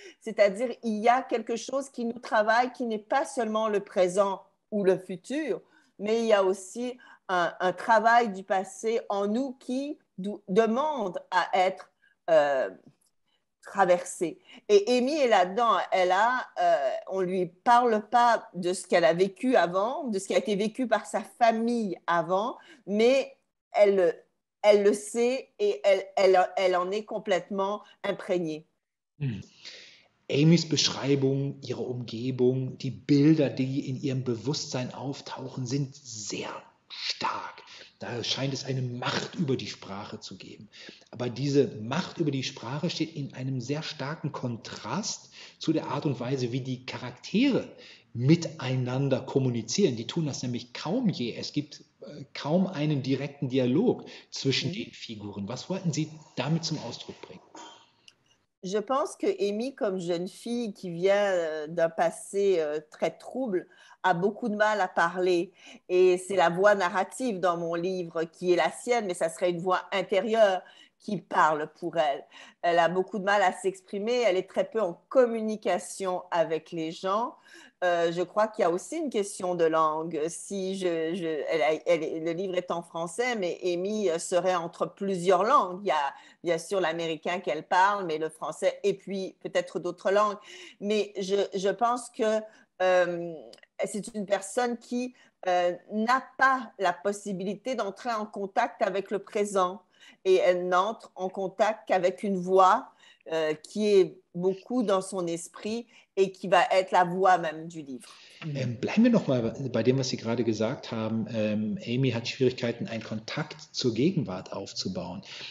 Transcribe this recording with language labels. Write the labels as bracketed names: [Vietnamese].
[French] C'est-à-dire, il y a quelque chose qui nous travaille, qui n'est pas seulement le présent ou le futur, mais il y a aussi un travail du passé en nous qui demande à être traversée. Et Amy est là-dedans. On lui parle pas de ce qu'elle a vécu avant, de ce qui a été vécu par sa famille avant, mais elle le sait et elle en est complètement imprégnée. [German] Amys Beschreibung, ihre Umgebung, die Bilder, die in ihrem Bewusstsein auftauchen, sind sehr stark. Da scheint es eine Macht über die Sprache zu geben. Aber diese Macht über die Sprache steht in einem sehr starken Kontrast zu der Art und Weise, wie die Charaktere miteinander kommunizieren. Die tun das nämlich kaum je. Es gibt kaum einen direkten Dialog zwischen den Figuren. Was wollten Sie damit zum Ausdruck bringen? [French] Je pense que Amy, comme jeune fille qui vient d'un passé très trouble, a beaucoup de mal à parler. Et c'est la voix narrative dans mon livre qui est la sienne, mais ça serait une voix intérieure qui parle pour elle. Elle a beaucoup de mal à s'exprimer, elle est très peu en communication avec les gens. Je crois qu'il y a aussi une question de langue. Si le livre est en français, mais Amy serait entre plusieurs langues. Il y a bien sûr l'américain qu'elle parle, mais le français, et puis peut-être d'autres langues. Mais je pense que c'est une personne qui n'a pas la possibilité d'entrer en contact avec le présent. Et elle n'entre en contact qu'avec une voix qui est beaucoup dans son esprit et qui va être la voix même du livre. [German] Bleiben wir nochmal bei dem, was Sie gerade gesagt haben. Amy hat Schwierigkeiten, einen Kontakt zur Gegenwart aufzubauen.